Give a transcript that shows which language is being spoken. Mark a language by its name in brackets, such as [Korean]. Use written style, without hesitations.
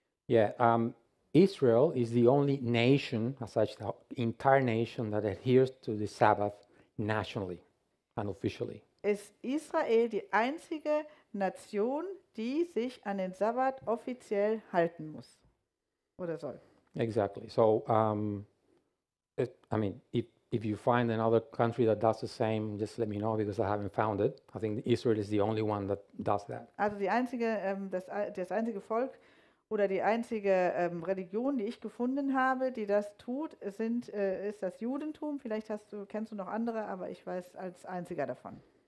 [English] Yeah, Israel is the only nation, as such, the entire nation that adheres to the Sabbath nationally and officially. [German] Ist Israel die einzige Nation, die sich an den Sabbat offiziell halten muss oder soll? [English] Exactly. So, I mean, if you find another country that does the same, just let me know because I haven't found it. I think Israel is the only one that does that. [German] Also die einzige, das einzige Volk oder die einzige Religion, die ich gefunden habe, die das tut, ist das Judentum. Vielleicht kennst du noch andere, aber ich weiß als einziger davon.